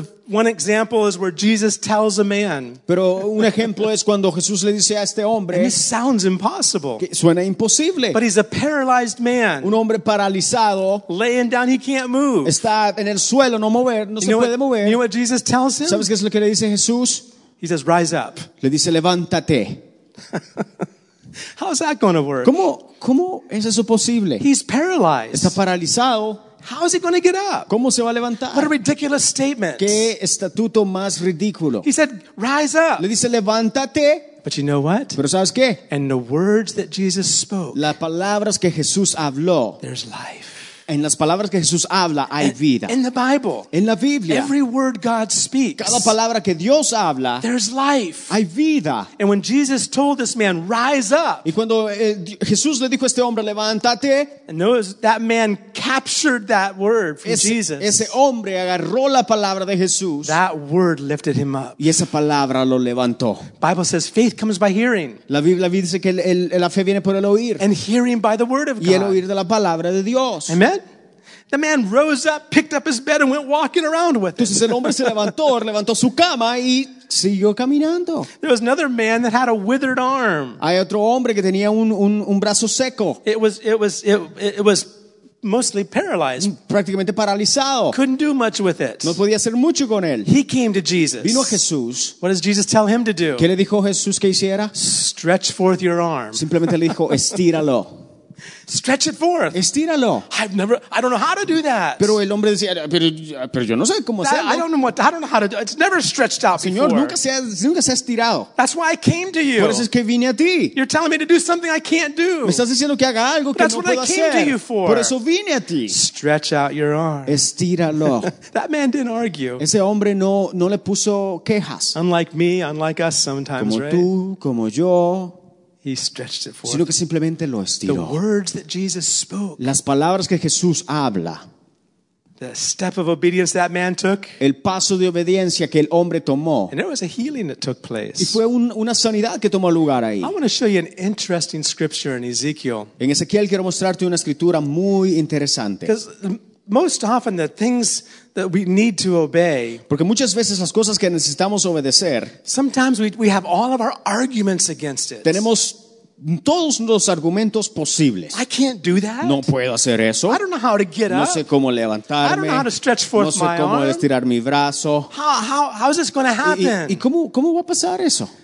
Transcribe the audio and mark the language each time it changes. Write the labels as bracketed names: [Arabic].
[English] One example is where Jesus tells a man. [Spanish] Pero un ejemplo es cuando Jesús le dice a este hombre. [English] And this sounds impossible. [Spanish] Que suena imposible. [English] But he's a paralyzed man. [Spanish] Un hombre paralizado. [English] Laying down, he can't move. [Spanish] Está en el suelo, no mover, no se puede mover. [English] You know what Jesus tells him? [Spanish] ¿Sabes qué es lo que le dice Jesús? [English] He says, "Rise up." [Spanish] Le dice, levántate. [English] How's that going to work? [Spanish] ¿Cómo es eso posible? [English] He's paralyzed. [Spanish] Está paralizado. [English] How is he going to get up? [Spanish] ¿Cómo se va a levantar? [English] What a ridiculous statement. [Spanish] ¿Qué estatuto más ridículo? [English] He said, rise up. [Spanish] Le dice, levántate. [English] But you know what? [Spanish] ¿Pero sabes qué? [English] And the words that Jesus spoke. [Spanish] Las palabras que Jesús habló. [English] There's life. [Spanish] En las palabras que Jesús habla hay vida. [English] In the Bible, [Spanish] en la Biblia, [English] every word God speaks, [Spanish] cada palabra que Dios habla, [English] there's life, [Spanish] hay vida. [English] And when Jesus told this man, "Rise up," [Spanish] y cuando Jesús le dijo a este hombre, levántate, [English] and notice that man captured that word from Jesus. [Spanish] Ese hombre agarró la palabra de Jesús. [English] That word lifted him up. [Spanish] Y esa palabra lo levantó. [English] Bible says faith comes by hearing. [Spanish] La Biblia dice que la fe viene por el oír. [English] And hearing by the word of God. [Spanish] Y el oír de la palabra de Dios. [English] Amen. The man rose up, picked up his bed, and went walking around with it. [Spanish] Entonces el hombre se levantó, levantó su cama y siguió caminando. [English] There was another man that had a withered arm. [Spanish] Hay otro hombre que tenía un brazo seco. [English] It was mostly paralyzed. [Spanish] Prácticamente paralizado. [English] Couldn't do much with it. [Spanish] No podía hacer mucho con él. [English] He came to Jesus. [Spanish] Vino a Jesús. [English] What does Jesus tell him to do? [Spanish] ¿Qué le dijo Jesús que hiciera? [English] Stretch forth your arm. [Spanish] Simplemente le dijo, estíralo. [English] Stretch it forth. [Spanish] Estíralo. [English] I don't know how to do that. [Spanish] Pero el hombre decía, pero yo no sé cómo hacerlo. [English] I don't know how to do it. It's never stretched out [Spanish] Señor, [English] before. [Spanish] Nunca se ha estirado. [English] That's why I came to you. [Spanish] Por eso es que vine a ti. [English] You're telling me to do something I can't do. [Spanish] Me estás diciendo que haga algo que no puedo hacer. [English] That's what I came to you for. [Spanish] Por eso vine a ti. [English] Stretch out your arm. [Spanish] Estíralo. [English] That man didn't argue. [Spanish] Ese hombre no le puso quejas. [English] Unlike me, unlike us sometimes, [Spanish] como [English] right? [Spanish] Como tú, como yo. [English] He stretched it forth. [Spanish] Sino que simplemente lo estiró. [English] The words that Jesus spoke. [Spanish] Las palabras que Jesús habla. [English] The step of obedience that man took. [Spanish] El paso de obediencia que el hombre tomó. [English] And there was a healing that took place. [Spanish] Y fue una sanidad que tomó lugar ahí. [English] I want to show you an interesting scripture in Ezekiel. [Spanish] En Ezequiel quiero mostrarte una escritura muy interesante. [English] Most often the things that we need to obey. [Spanish] Porque muchas veces las cosas que necesitamos obedecer. [English] Sometimes we have all of our arguments against it. [Spanish] Tenemos todos los argumentos posibles. [English] I can't do that. [Spanish] No puedo hacer eso. [English] I don't know how to get up. [Spanish] No sé cómo levantarme. [English] I don't know how to stretch forth my arm. [Spanish] No sé cómo estirar mi brazo. [English] How is this going to happen? [Spanish] ¿Y cómo va a pasar eso?